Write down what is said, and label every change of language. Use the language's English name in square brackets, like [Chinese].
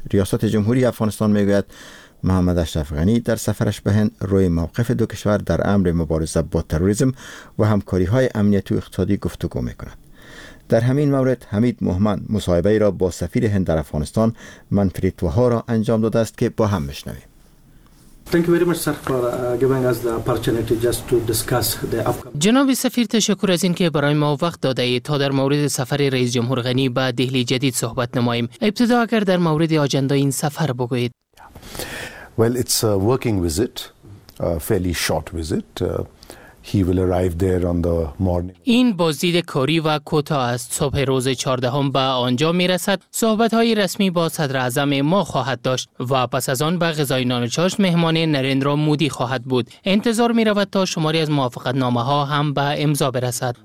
[Persian] ریاست جمهوری افغانستان می گوید محمد اشرف غنی در سفرش به هند روی موقف دو کشور در امر مبارزه با تروریسم و همکاری های امنیتی و اقتصادی گفتگو می کند. در همین مورد حمید مهمند مصاحبه ای را با سفیر هند در افغانستان منفرید توهارا انجام داده است که با هم بشنویم. [English] Thank you very much, sir, for giving us the opportunity just to discuss the upcoming. [Persian] جناب سفیر تشکر از این که برای ما وقت داده اید تا در مورد سفر رئیس جمهور غنی به دهلی جدید صحبت نماییم. ابتدا اگر در مورد آجندای این سفر بگویید. [English] Well, it's a working visit, a fairly short visit. He will arrive there on the morning. [Persian] این بازدید کاری و کوتاه است. صبح روز 14 به آنجا میرسد. صحبت‌های رسمی با صدر اعظم ما خواهد داشت و پس از آن به غذای نان و چاشت مهمان نریندرا مودی خواهد بود. انتظار می‌رود تا شماری از موافقت‌نامه‌ها هم به امضا برسد.